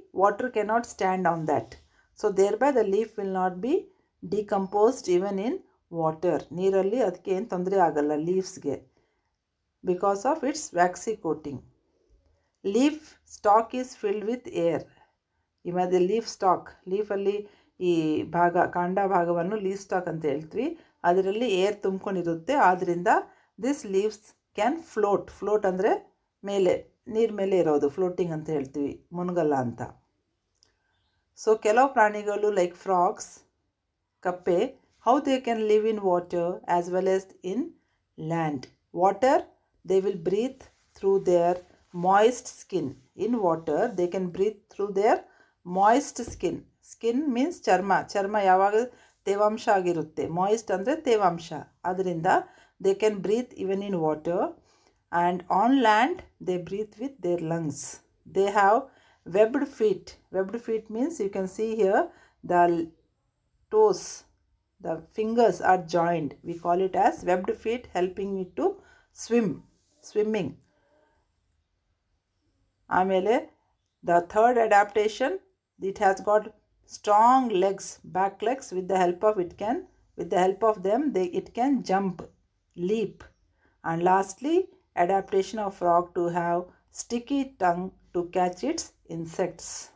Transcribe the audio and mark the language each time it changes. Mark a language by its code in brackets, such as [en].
[en] Water cannot stand on that. So thereby the leaf will not be decomposed even in water. [kn] Nearly adhke en tondre agala leaves ge. [en] Because of its waxy coating. Leaf stalk is filled with air. [kn] ಇವಾಗ leaf stock, ಲೀಫಲ್ಲಿ ಈ ಭಾಗ ಕಾಂಡ ಭಾಗವನ್ನು leaf stock ಅಂತ ಹೇಳ್ತೀವಿ. ಅದರಲ್ಲಿ air ತುಂಬಿಕೊಂಡಿರುತ್ತೆ. ಆದ್ದರಿಂದ [en] This leaves can float. [kn] Float ಅಂದರೆ ಮೇಲೆ, ನೀರು ಮೇಲೆ ಇರೋದು, ಫ್ಲೋಟಿಂಗ್ ಅಂತ ಹೇಳ್ತೀವಿ, ಮುನುಗಲ್ಲ ಅಂತ. ಸೊ ಕೆಲವು ಪ್ರಾಣಿಗಳು [en] Like frogs, ಕಪ್ಪೆ, how they can live in water as well as in land. Water they will breathe through their moist skin. In water they can breathe through their moist skin. Skin means [kn] ಚರ್ಮ. ಚರ್ಮ ಯಾವಾಗ ತೇವಾಂಶ ಆಗಿರುತ್ತೆ, moist ಅಂದರೆ ತೇವಾಂಶ. [en] ಅದರಿಂದ they can breathe even in water. And on land they breathe with their lungs. They have webbed feet. Webbed feet means you can see here the toes, the fingers are joint. We call it as webbed feet, helping it to swimming. ಆಮೇಲೆ the third adaptation, it has got strong legs, back legs. With the help of it can, with the help of them, they it can jump, leap. And lastly, adaptation of frog to have sticky tongue to catch its insects.